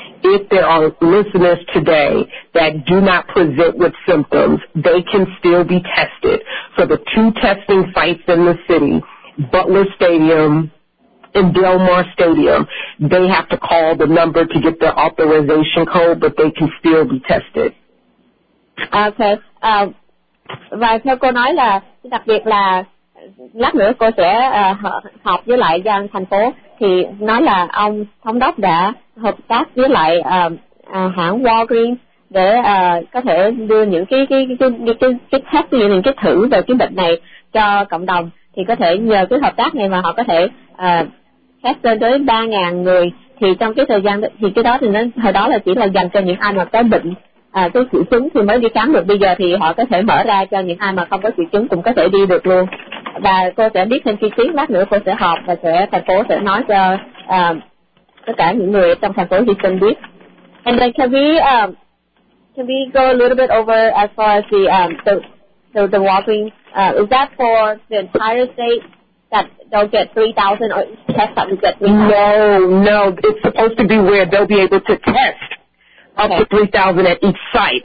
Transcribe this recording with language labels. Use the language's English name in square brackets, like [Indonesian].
[English] If there are listeners today that do not present with symptoms, they can still be tested. So the two testing sites in the city, Butler Stadium and Del Mar Stadium, they have to call the number to get their authorization code, but they can still be tested. Okay. [Vietnamese] Và theo cô nói là, đặc biệt là lát nữa cô sẽ họp với lại dân thành phố, thì nói là ông thống đốc đã hợp tác với lại hãng Walgreens để có thể đưa những cái thử về cái bệnh này cho cộng đồng, thì có thể nhờ cái hợp tác này mà họ có thể test lên tới 3,000 người, thì trong cái thời gian thì cái đó thì nó hồi đó là chỉ là dành cho những ai mà có bệnh có triệu chứng thì mới đi khám được, bây giờ thì họ có thể mở ra cho những ai mà không có triệu chứng cũng có thể đi được luôn. Và cô sẽ biết thêm chi tiết lát nữa, cô sẽ họp và sẽ thành phố sẽ nói cho tất cả những người trong thành phố thì cần biết. [English] And then can we go a little bit over as far as the Walgreens, is that for the entire state that they'll get 3,000 or test that we get 3,000? No, it's supposed to be where they'll be able to test up to 3,000 at each site.